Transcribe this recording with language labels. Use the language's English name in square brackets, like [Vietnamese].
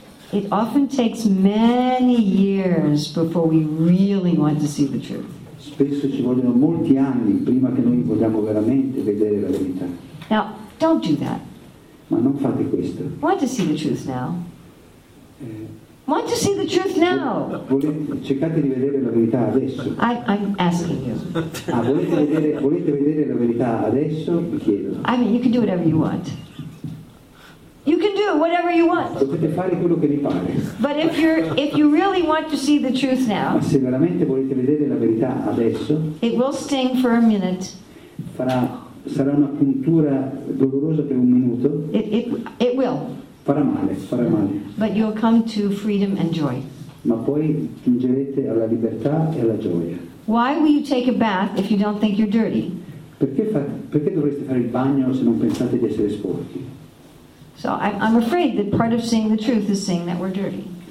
[English] it often takes many years before we really want to see the truth. [Italian] Spesso ci vogliono molti anni prima che noi vogliamo veramente vedere la verità. [English] Now, don't do that. [Italian] Ma non fate questo. [English] Want to see the truth now? Want to see the truth now? [Italian] Cercate di vedere la verità adesso. [English] I'm asking you. [Italian] Ah, volete vedere la verità adesso? Vi chiedo. [English] I mean, you can do whatever you want. You can do whatever you want. [Italian] Potete fare quello che vi pare. [English] But if you really want to see the truth now, [Italian] ma se veramente volete vedere la verità adesso, [English] it will sting for a minute. [Italian] Sarà una puntura dolorosa per un minuto. [English] It will. [Italian] Farà male. [English] But you'll come to freedom and joy. [Italian] Ma poi giungerete alla libertà e alla gioia. [English] Why will you take a bath if you don't think you're dirty? [Italian] Perché dovreste fare il bagno se non pensate di essere sporchi? [English] So I'm afraid that part of seeing the truth is seeing that we're dirty.